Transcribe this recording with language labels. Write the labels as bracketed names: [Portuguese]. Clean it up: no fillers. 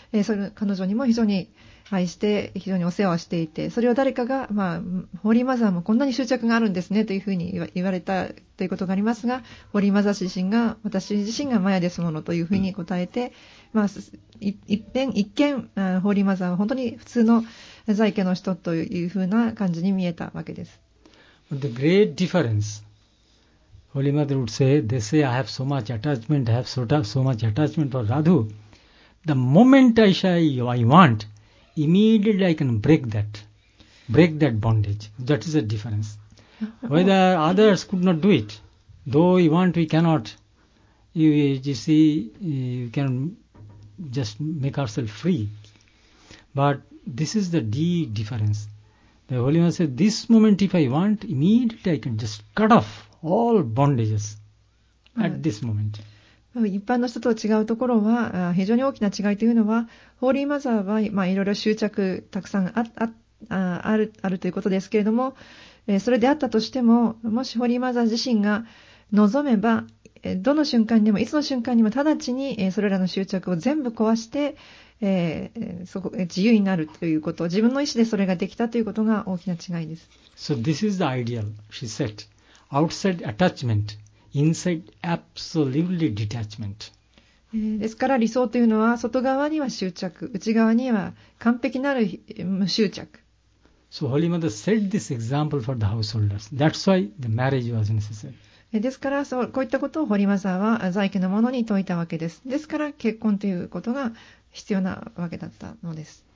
[Japanese] それ、彼女にも非常に愛して、非常にお世話をしていて、それを誰かが、まあ、ホーリーマザーもこんなに執着があるんですね、というふうに言われたということがありますが、ホーリーマザー自身が、私自身がマヤですものというふうに答えて、まあ、一見、ホーリーマザーは本当に普通の在家の人というふうな感じに見えたわけです。 [English] The great difference, Holy Mother would say, they say, I have so much attachment, I have so much attachment for Radhu. The moment I want, immediately I can break that bondage. That is the difference. Whether others could not do it, though we want, we cannot. You can just make ourselves free. But this is the deep difference. The Holy One said, this moment if I want, immediately I can just cut off all bondages at this moment. [Japanese] 一般の人と違うところは、非常に大きな違いというのは、ホーリーマザーは、まあ、いろいろ執着たくさん あるということですけれども、それであったとしても、もしホーリーマザー自身が望めば、どの瞬間にも、いつの瞬間にも直ちに、それらの執着を全部壊して、そこ自由になるということ、自分の意思でそれができたということが大きな違いです。 [English] So this is the ideal, she said. Outside attachment. Inside, absolutely detachment. [Japanese] ですから理想というのは外側には執着、内側には完璧なる無執着。 [English] So Holy Mother set this example for the householders. That's why the marriage was necessary. [Japanese] ですからこういったことをホリマザーは在家の者に説いたわけです。ですから結婚ということが必要なわけだったのです。